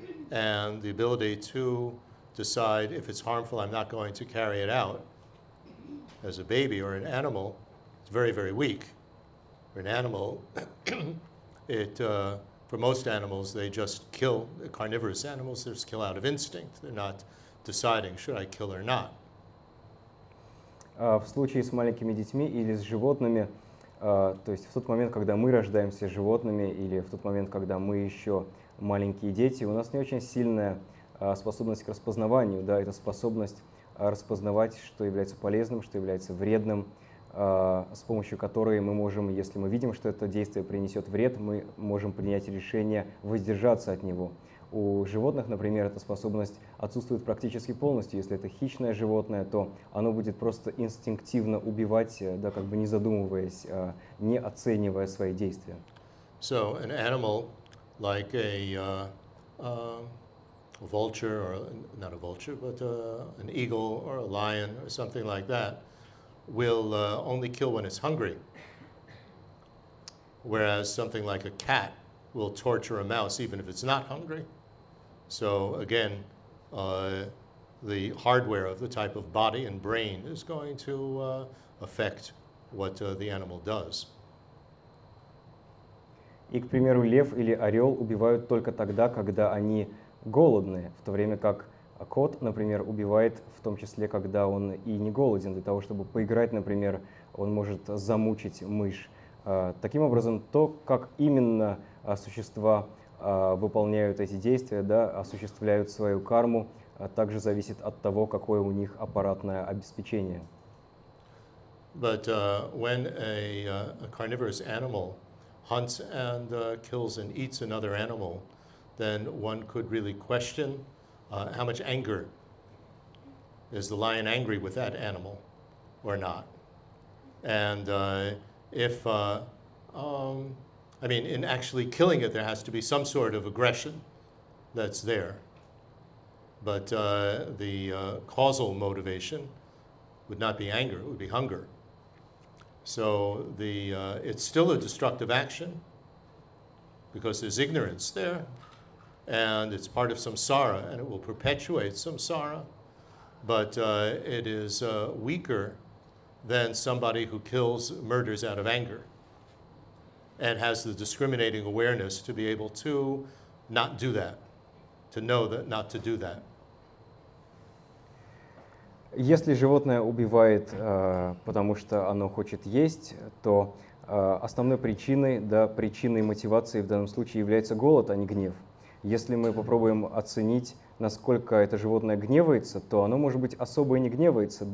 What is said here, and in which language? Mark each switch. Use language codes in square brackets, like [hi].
[en] And the ability to decide if it's harmful, I'm not going to carry it out, as a baby or an animal, it's very, very weak. For an animal, it, for most animals, they just kill. Carnivorous animals, they just kill out of instinct. They're not deciding, should I kill or not. [ru] В случае с маленькими детьми или с животными, то есть в тот момент, когда мы рождаемся животными, или в тот момент, когда мы еще маленькие дети, у нас не очень сильная способность к распознаванию. Да, это способность распознавать, что является полезным, что является вредным. С помощью которой мы можем, если мы видим, что это действие принесет вред, мы можем принять решение воздержаться от него. У животных, например, эта способность отсутствует практически полностью. Если это хищное животное, то оно будет просто инстинктивно убивать, да, как бы не задумываясь, не оценивая свои действия. [en] So, an animal, like a vulture, or not a vulture, but an eagle, or a lion, or something like that, will only kill when it's hungry, whereas something like a cat will torture a mouse even if it's not hungry. So again, the hardware of the type of body and brain is going to affect what the animal does. [ru] И, к примеру, лев или орел убивают только тогда, когда они голодны, в то время как кот, например, убивает в том числе, когда он и не голоден. Для того, чтобы поиграть, например, он может замучить мышь. Таким образом, то, как именно существа выполняют эти действия, да, осуществляют свою карму, также зависит от того, какое у них аппаратное обеспечение. [en] But when a carnivorous animal hunts and kills and eats another animal, then one could really question how much anger is the lion angry with that animal or not? And if, I mean, in actually killing it, there has to be some sort of aggression that's there. But the causal motivation would not be anger, it would be hunger. So the it's still a destructive action because there's ignorance there. And it's part of samsara, and it will perpetuate samsara, but it is weaker than somebody who kills, murders out of anger and has the discriminating awareness to be able to not do that, to know that not to do that. [ru] Если животное убивает, потому что оно хочет есть, то основной причиной, да, причиной мотивации в данном случае является голод, а не гнев. Если мы попробуем оценить, насколько это животное гневается, то оно, может быть, особо и не гневается.